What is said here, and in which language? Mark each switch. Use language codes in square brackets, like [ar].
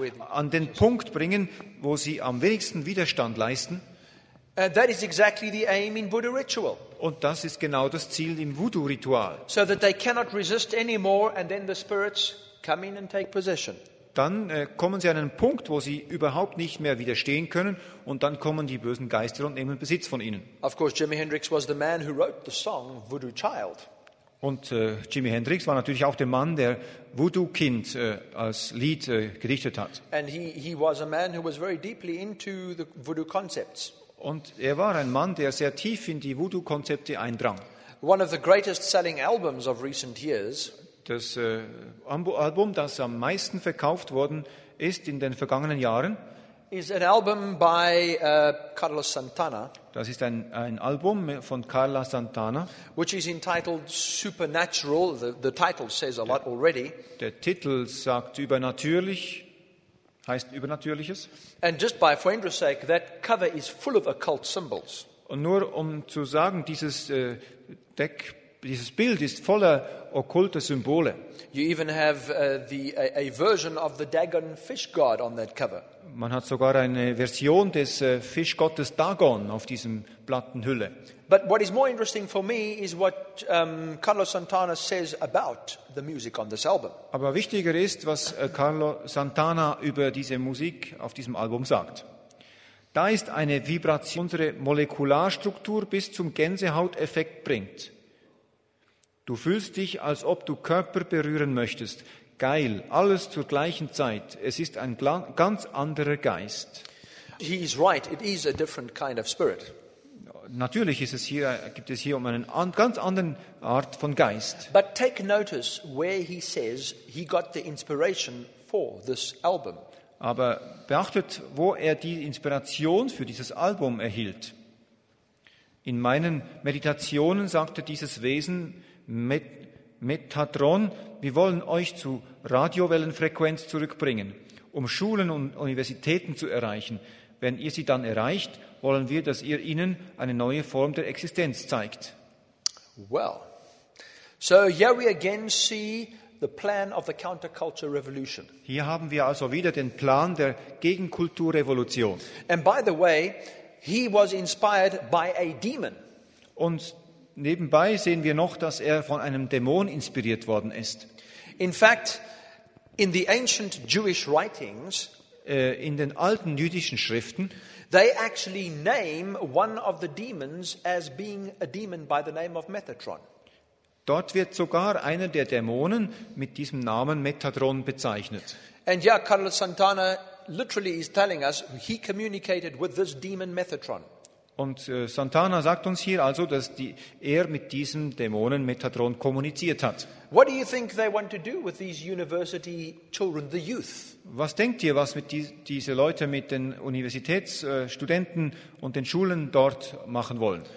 [de] An den Punkt bringen, wo sie am wenigsten Widerstand leisten. [en] That is exactly the aim in Voodoo ritual. [de] Und das ist genau das Ziel im Voodoo-Ritual. [en] So that they cannot resist anymore, and then the spirits come in and take possession. [de] Dann kommen sie an einen Punkt, wo sie überhaupt nicht mehr widerstehen können, und dann kommen die bösen Geister und nehmen Besitz von ihnen. [en] Of course, Jimi Hendrix was the man who wrote the song Voodoo Child. [de] Und Jimi Hendrix war natürlich auch der Mann, der Voodoo Kind als Lied gedichtet hat. [en] And he was a man who was very deeply into the voodoo concepts. [de] Und er war ein Mann, der sehr tief in die Voodoo Konzepte eindrang. [en] One of the greatest selling albums of recent years. [de] Das Album, das am meisten verkauft worden ist in den vergangenen Jahren, [en] is an album by Carlos Santana. [de] Das ist ein Album von Carlos Santana, [en] which is entitled Supernatural. The title says a lot already. [de] Der Titel sagt übernatürlich, heißt übernatürliches. [en] And just by for interest sake, that cover is full of occult symbols. [de] Und nur um zu sagen, dieses Deck dieses Bild ist voller okkulter Symbole. [en] You even have a version of the Dagon fish god on that cover. [de] Man hat sogar eine Version des Fischgottes Dagon auf diesem platten Hülle. [en] But what is more interesting for me is what Carlos Santana says about the music on this album. [de] Aber wichtiger ist, was Carlos Santana über diese Musik auf diesem Album sagt. Da ist eine Vibration, unsere Molekularstruktur bis zum Gänsehauteffekt bringt. Du fühlst dich, als ob du Körper berühren möchtest. Geil, alles zur gleichen Zeit. Es ist ein ganz anderer Geist. [en] He is right. It is a different kind of spirit. [de] Natürlich ist es hier, gibt es hier um eine ganz andere Art von Geist. [en] But take notice where he says he got the inspiration for this album. [de] Aber beachtet, wo er die Inspiration für dieses Album erhielt. In meinen Meditationen sagte dieses Wesen Metatron, wir wollen euch zu Radiowellenfrequenz zurückbringen, um Schulen und Universitäten zu erreichen. Wenn ihr sie dann erreicht, wollen wir, dass ihr ihnen eine neue Form der Existenz zeigt. [en] Well, so here we again see the plan of the counterculture revolution. [de] Hier haben wir also wieder den Plan der Gegenkulturrevolution. [en] And by the way, he was inspired by a demon. [de] Und nebenbei sehen wir noch, dass er von einem Dämon inspiriert worden ist. [en] In fact, in the ancient Jewish writings, [de] in den alten jüdischen Schriften, [en] they actually name one of the demons as being a demon by the name of Metatron. [de] Dort wird sogar einer der Dämonen mit diesem Namen Metatron bezeichnet. [en] And yeah, Carlos Santana literally is telling us he communicated with this demon Metatron. [de] Und Santana sagt uns hier also, dass er mit diesem Dämonen Metatron kommuniziert hat. [en] What do you think they want to do with these university children, the youth? [de] Was denkt ihr, was mit diese Leute mit den Universitätsstudenten und den Schulen dort machen wollen?